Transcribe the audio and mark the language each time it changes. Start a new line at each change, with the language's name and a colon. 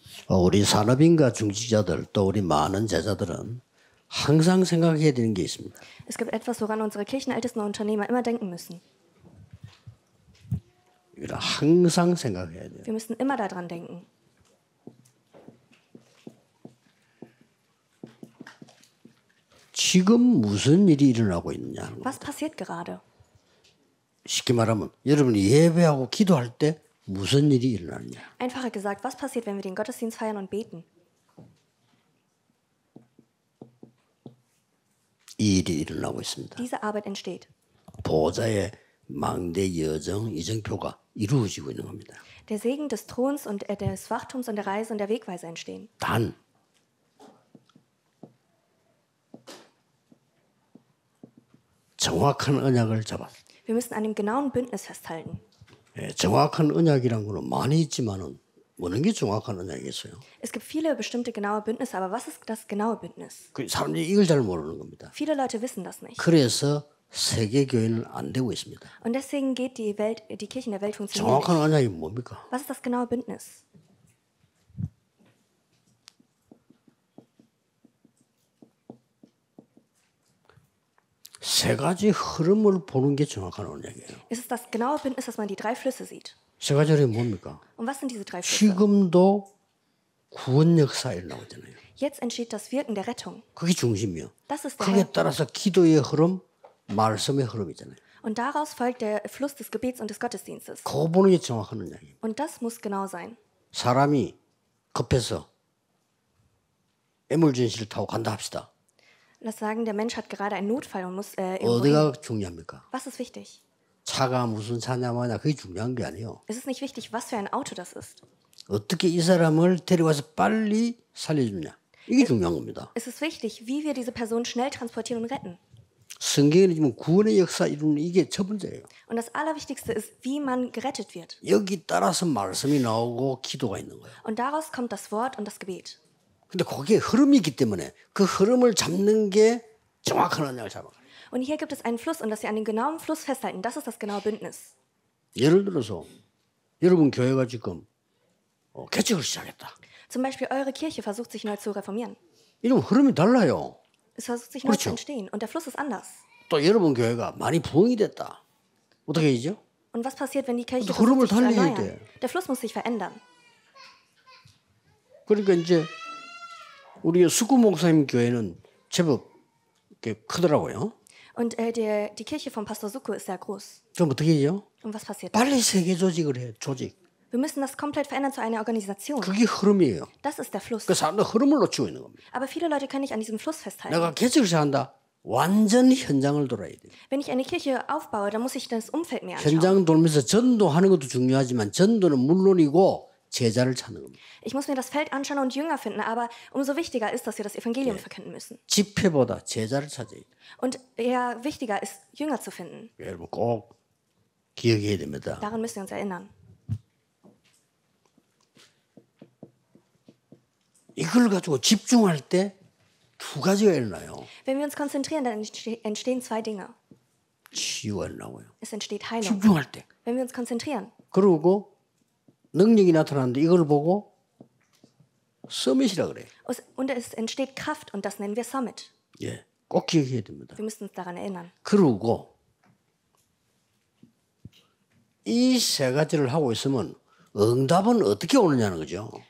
Korean: 우리 산업인과 중직자들 또 우리 많은 제자들은 항상 생각해야 되는 게 있습니다.
German: Es gibt etwas, woran unsere Kirchenältesten und Unternehmer immer denken müssen.
Korean: 우리가 항상 생각해야 돼요.
German: Wir müssen immer daran denken.
Korean: 지금 무슨 일이 일어나고 있느냐?
German: Was passiert gerade?
Korean: 쉽게 말하면 여러분이 예배하고 기도할 때 무슨 일이 일어나냐?
German: Einfacher gesagt, was passiert, wenn wir den Gottesdienst feiern und beten?
Korean: 이 일이 일어나고 있습니다.
German: Diese Arbeit entsteht.
Korean: 보좌의 망대 여정 이정표가 이루어지고 있는 겁니다.
German: Der Segen des Throns und des Wachtums und der Reise und der Wegweise entstehen.
Korean: 단 정확한 언약을 잡아.
German: Wir müssen an dem genauen Bündnis festhalten.
Korean: 예, 정확한 언약이란 거는 많이 있지만은 어느 게 정확한 언약이겠어요?
German: Es gibt viele bestimmte genaue Bündnisse, aber was ist das genaue Bündnis?
Korean: 그 사람들이 이걸 잘 모르는 겁니다.
German: Viele Leute wissen das nicht.
Korean: 그래서 세계 교회는 안 되고 있습니다.
German: Und deswegen geht die Welt, die Kirche in der Welt funktioniert.
Korean: 정확한 언약이 뭡니까?
German: Was ist das genaue Bündnis?
Korean: 세 가지 흐름을 보는 게 정확한 언약이에요.
German: Es ist das genaue Bündnis, dass man die drei Flüsse sieht.
Korean: 세 가지 흐름이 뭡니까?
German: Und was sind diese drei Flüsse?
Korean: 지금도 구원 역사 일어나잖아요.
German: Jetzt entsteht das Wirken der Rettung.
Korean: 그게 중심이요.
German: Das ist
Korean: 그게 따라서 기도의 흐름, 말씀의 흐름이잖아요.
German: Und daraus folgt der Fluss des Gebets und des Gottesdienstes.
Korean: 그거 보는 게 정확한 언약이에요.
German: Und das muss genau sein.
Korean: 사람이 급해서 에멀전시를 타고 간다 합시다.
German: Lass sagen, der Mensch hat gerade einen Notfall und muss irgendwo.
Korean: 어디가 중요합니까?
German: Was ist wichtig?
Korean: 차가 무슨 차냐 뭐냐 그게 중요한 게 아니에요.
German: Es ist nicht wichtig, was für ein Auto das ist.
Korean: 어떻게 이 사람을 데려와서 빨리 살려주냐 이게 중요한 겁니다.
German: Es ist wichtig, wie wir diese Person schnell transportieren und retten.
Korean: 성경에 지금 구원의 역사 이루는 이게 첫 번째예요.
German: Und das Allerwichtigste ist, wie man gerettet wird.
Korean: 여기 따라서 말씀이 나오고 기도가 있는 거예요.
German: Und daraus kommt das Wort und das Gebet.
Korean: 근데 거기에 흐름이 있기 때문에 그 흐름을 잡는 게 정확한 언약을 잡아.
German: Und hier gibt es einen Fluss und dass sie an dem genauen Fluss festhalten, das ist das genaue Bündnis.
Korean: 예를 들어서 여러분 교회가 지금 개척을 시작했다.
German: Zum Beispiel eure Kirche versucht sich neu zu reformieren.
Korean: 이런 흐름이 달라요.
German: Es versucht sich neu zu entstehen und der Fluss ist anders.
Korean: 또 여러분 교회가 많이 부흥이 됐다. 어떻게 되죠?
German: Und was passiert, wenn die Kirche sich erneuert?
Korean: 흐름을 달리게 돼.
German: Der Fluss muss sich verändern.
Korean: 그러니까 이제 우리의 수구 목사님 교회는 제법 이렇게 크더라고요.
German: Und die Kirche von Pastor Suku ist sehr groß.
Korean: 그럼 어떻게 해요?
German: Und was passiert?
Korean: 빨리 세계 조직을 해, 조직.
German: Wir müssen das komplett verändern zu einer Organisation.
Korean: 그게 흐름이에요.
German: Das ist der Fluss.
Korean: 그 사람들 흐름을 놓치고 있는 겁니다.
German: Aber viele Leute können nicht an diesem Fluss festhalten.
Korean: 내가 개척을 한다. 완전히 현장을 돌아야 돼.
German: Wenn ich eine Kirche aufbaue, dann muss ich das Umfeld mehr anschauen.
Korean: 현장 돌면서 전도하는 것도 중요하지만 전도는 물론이고 제자를 찾는 겁니다.
German: Ich muss mir das Feld anschauen und Jünger finden, aber umso wichtiger ist, dass wir das Evangelium verkünden müssen.
Korean: 집회보다 제자를 찾아야 돼.
German: Und eher wichtiger ist, Jünger zu finden.
Korean: 여러분 꼭 기억해야 됩니다.
German: Daran müssen wir uns erinnern.
Korean: 이걸 가지고 집중할 때 두 가지가 일어나요.
German: Wenn wir uns konzentrieren, dann entstehen zwei Dinge.
Korean: 치유가 일어나고요.
German: Es entsteht Heilung.
Korean: 집중할 때.
German: Wenn wir uns konzentrieren.
Korean: 그리고 능력이 나타나는데 이걸 보고 서밋이라 그래요.
German: Und es entsteht Kraft und das nennen wir Summit.
Korean: 예, 꼭 기억해야 됩니다.
German: Wir müssen uns daran erinnern.
Korean: 그리고 이 세 가지를 하고 있으면 응답은 어떻게 오느냐는 거죠.